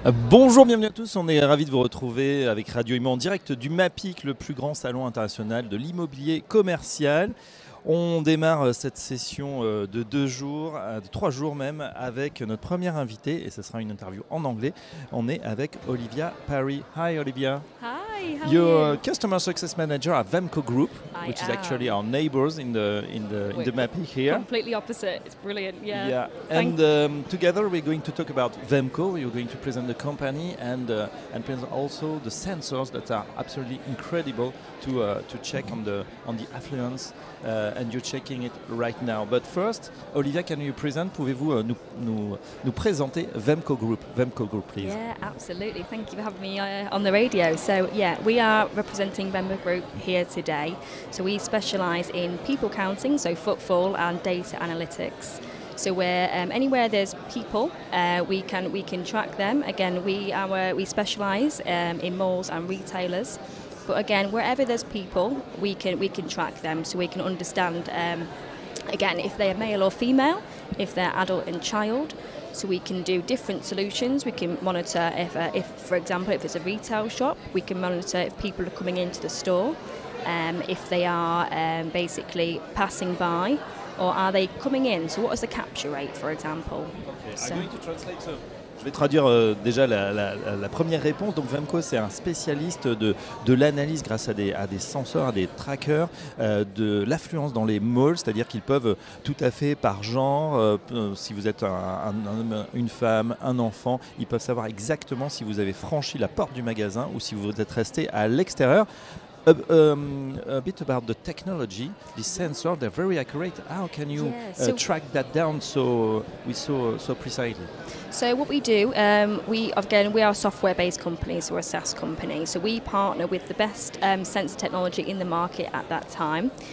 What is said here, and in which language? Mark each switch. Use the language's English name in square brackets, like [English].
[French] Bonjour, bienvenue à tous, on est ravis de vous retrouver avec Radio Immo en direct du MAPIC, le plus grand salon international de l'immobilier commercial. On démarre cette session de deux jours, de trois jours même, avec notre première invitée, et ce sera une interview en anglais. On est avec Olivia Parry. [English] Hi Olivia. Hi, how You're are you? You're Customer Success Manager at Vemco Group, which is actually our neighbors in the MAPIC here. Completely opposite, it's brilliant, yeah. Yeah. And together we're going to talk about Vemco. You're going to present the company and present also the sensors that are absolutely incredible to check on the affluence. And you're checking it right now. But first, Olivia, can you present? [French] Pouvez-vous nous présenter Vemco Group? [English] Vemco Group, please. Yeah, absolutely. Thank you for having me on the radio. So, yeah, we are representing Vemco Group here today. So we specialize in people counting, so footfall and data analytics. So we're anywhere there's people, we can track them. Again, we specialize in malls and retailers. But again, wherever there's people, we can track them so we can understand, again, if they're male or female, if they're adult and child. So we can do different solutions. We can monitor if, for example, if it's a retail shop, we can monitor if people are coming into the store, if they are basically passing by, or are they coming in? So what is the capture rate, for example? Okay, so I'm going to translate so. [French] Je vais traduire déjà la première réponse. Donc Vemco, c'est un spécialiste de l'analyse grâce à des senseurs, à des trackers, de l'affluence dans les malls, c'est-à-dire qu'ils peuvent tout à fait par genre, si vous êtes un homme, une femme, un enfant, ils peuvent savoir exactement si vous avez franchi la porte du magasin ou si vous êtes resté à l'extérieur. [English] A bit about the technology, the sensor, they're very accurate. How can you track that down so precisely? So what we do, we are a software-based company, so we're a SaaS company. So we partner with the best sensor technology in the market at that time.